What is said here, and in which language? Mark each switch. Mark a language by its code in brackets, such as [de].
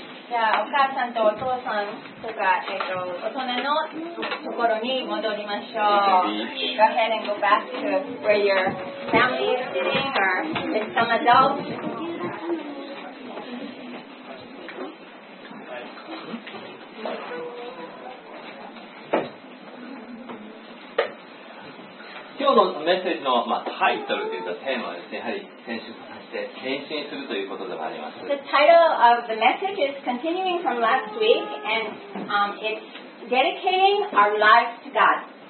[ja] じゃあお母さんとお父さんとか、大人のところに戻りましょう。 [en] Go ahead and go back to where your family is sitting or with some adults. [ja] のメッセージの、まあ、タイトルというかテーマはですね、やはり転職させて転身するということでもあります。 [en] The title of the message is continuing from last week and it's dedicating our lives to God.